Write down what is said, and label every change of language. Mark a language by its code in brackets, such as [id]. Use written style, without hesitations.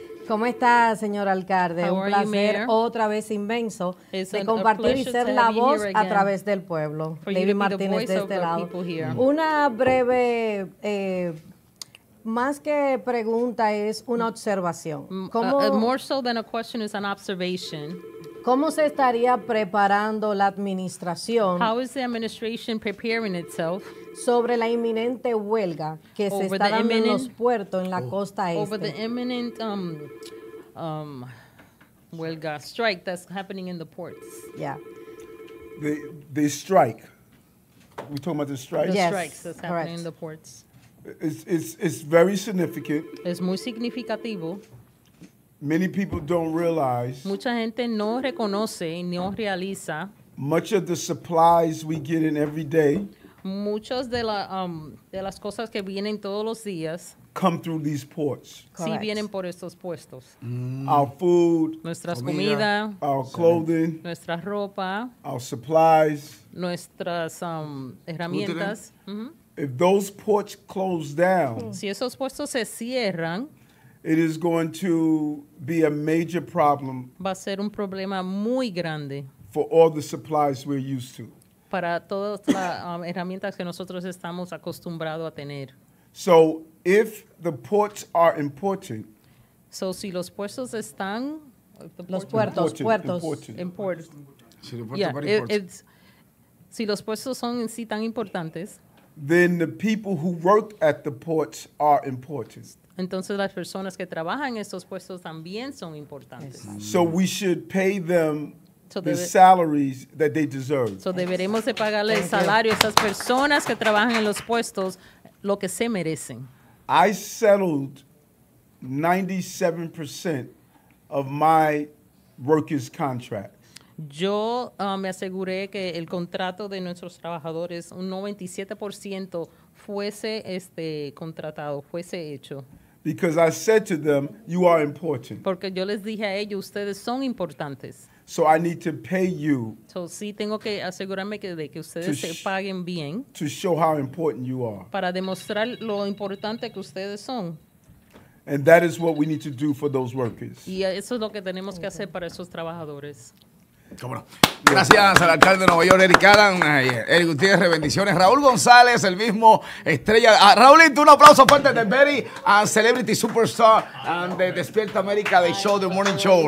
[es] ¿Cómo está, señor alcalde? [en] How [es] un placer [en] you, [es] otra vez inmenso It's de compartir y ser la voz a través del pueblo. David Martínez de este lado. Una breve, más que pregunta, es una observación. [en] More so than a question is an observation. [es] ¿Cómo se estaría preparando la administración? [en] How is the administration preparing itself? [es] Sobre la inminente huelga que [en] over [es] se está dando en los puertos en la costa este. [en] Over the imminent huelga strike that's happening in the ports. Yeah. The strike. We talking about the strike. The yes. Strikes that's happening correct. In the ports. It's very significant. [es] Es muy significativo. [en] Many people don't realize. [es] Mucha gente no reconoce y no realiza. [en] Much of the supplies we get in every day. [es] Muchas de las cosas que vienen todos los días [en] come through these ports. Correct. [es] Si vienen por estos puestos. [en] Mm. Our food, [es] nuestras comida, [en] our clothing, [es] nuestra ropa, [en] our supplies, [es] nuestras herramientas. [en] If those ports close down, [es] si esos puestos se cierran, [en] it is going to be a major problem. [es] Va a ser un problema muy grande. [en] For all the supplies we're used to. [es] Para todas las herramientas que nosotros estamos acostumbrados a tener. [en] So if the ports are important. [es] So si los puestos están. Los puertos. Puertos. [en] Important. [es] Si los puestos son en sí tan importantes. [en] Then the people who work at the ports are important. [es] Entonces las personas que trabajan en estos puestos también son importantes. [en] So we should pay them the salaries that they deserve. [es] So deberemos de pagarle el salario a esas personas que trabajan en los puestos lo que se merecen. [en] I settled 97% of my workers' contracts. [es] Yo me aseguré que el contrato de nuestros trabajadores un 97% fuese contratado, fuese hecho. [en] Because I said to them, you are important. [es] Porque yo les dije a ellos, ustedes son importantes. [en] So I need to pay you. [es] So sí tengo que asegurarme que ustedes se paguen bien. [en] To show how important you are. [es] Para demostrar lo importante que ustedes son. [en] And that is what we need to do for those workers. [es] Y eso es lo que tenemos que hacer para esos trabajadores. Cómo no. Gracias al alcalde de Nueva York, Eric Adam. Eric Gutiérrez, bendiciones. Raúl González, el mismo estrella. Raúlito, un aplauso fuerte de Betty, a Celebrity Superstar de Despierta América, de Show, The Morning Show.